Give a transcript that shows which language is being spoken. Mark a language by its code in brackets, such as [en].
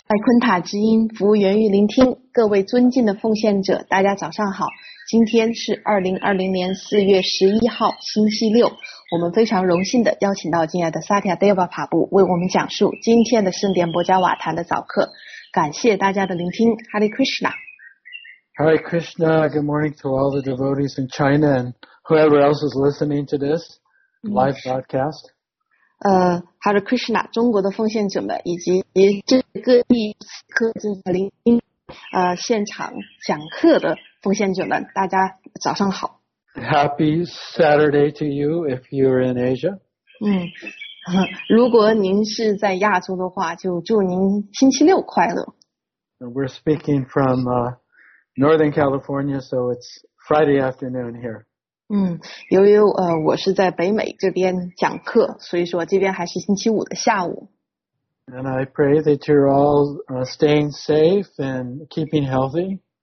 [zh] 爱昆塔之音，服务员与聆听，各位尊敬的奉献者，大家早上好。今天是2020年4月11号，星期六。我们非常荣幸地邀请到敬爱的萨提亚·德瓦帕布为我们讲述今天的圣殿博加瓦坛的早课。感谢大家的聆听 ，Hare Krishna。 [en] Hare Krishna, good morning to all the devotees in China and whoever else is listening to this live broadcast. [zh] Hare Krishna, 中国的奉献者们以及各地科技聆听现场讲课的奉献者们，大家早上好。 [en] Happy Saturday to you if you're in Asia. [zh] 如果您是在亚洲的话，就祝您星期六快乐。 [en] We're speaking from Northern California, so it's Friday afternoon here. [zh] 由于我是在北美这边讲课，所以说这边还是星期五的下午。 [en] And I pray that you're all staying safe and keeping healthy.